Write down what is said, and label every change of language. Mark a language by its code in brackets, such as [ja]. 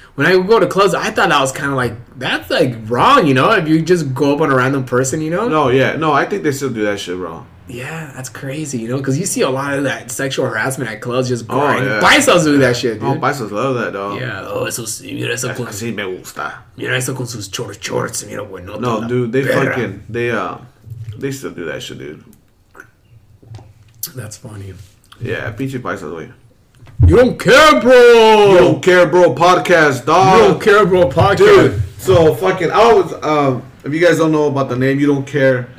[en] When I would go to clubs, I thought that was kind of like, that's like wrong, you know? If you just go up on a random person, you know? No, yeah. No, I think they still do that shit wrong. Yeah, that's crazy, you know? Because you see a lot of that sexual harassment at clubs just growing. Oh, yeah. Bisons do that shit, dude. Oh, bisons love that, though. [es] Yeah. Oh, eso sí, mira eso con... Así me gusta. Mira eso con sus chorchorts, mira, bueno. [en] No, dude, they fucking, they still do that shit, dude. That's funny. Yeah, pinche bisons, wey. You don't care, bro. You don't care, bro. Podcast, dog. You don't care, bro. Podcast. Dude, so fucking, I was, if you guys don't know about the name, you don't care.